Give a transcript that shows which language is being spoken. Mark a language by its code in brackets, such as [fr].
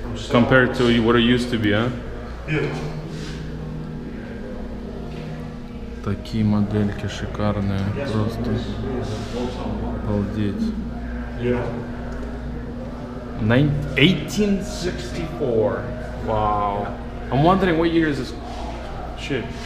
[en] Compared to what it used to be, huh? Yeah. [ru] Такие модельки шикарные, yes, просто обалдеть. [en] Yeah. 1864. Wow. I'm wondering what year is this shit.